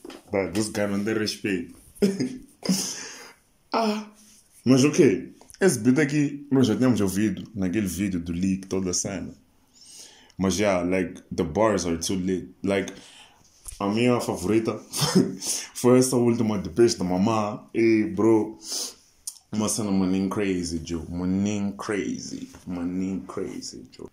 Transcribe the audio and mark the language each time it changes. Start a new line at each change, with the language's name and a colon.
English: But this guy
Portuguese: não tem respeito. Ah! Mas ok. Esse beat aqui nós já temos ouvido naquele vídeo do leak toda a cena.
English: Mas yeah, like the bars are too lit.
Portuguese: Like, a minha favorita foi essa última de peixe da mamá. E bro, uma cena maninho crazy, Joe. Maninho crazy, Joe.